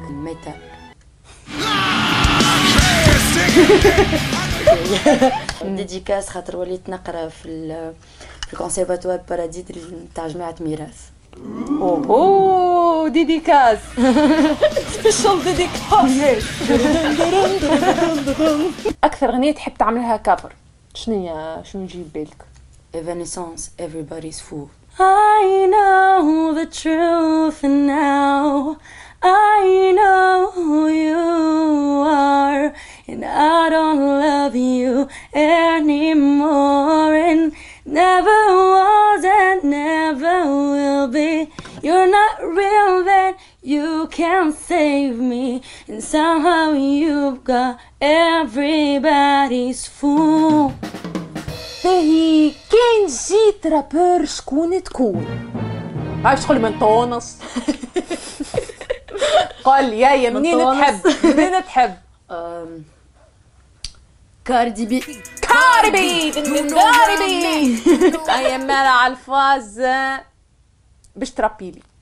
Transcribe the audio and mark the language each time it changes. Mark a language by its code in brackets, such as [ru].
[ar] متى ديديكاس خاطر وليت نقرا في الكونسيرفاتوار باراديت تاع جماعة ميراث. اوه ديديكاس سبيشال ديديكاس. اكثر غنية تحب تعملها كفر شنو هي؟ شنو نجيب بالك؟ [en] Evanescence everybody's fool. I know the truth now I know who you are and I don't love you anymore and never was and never will be. You're not real then you can't save me and somehow you've got everybody's fool. [ar] باهي كان جيت رابر شكون تكون؟ عايش تقولي من تونس. قال يا يا منين تحب منين تحب؟ كاردي بي كاردي بي كاردي بي اي مالا عالفاز باش ترابيلي.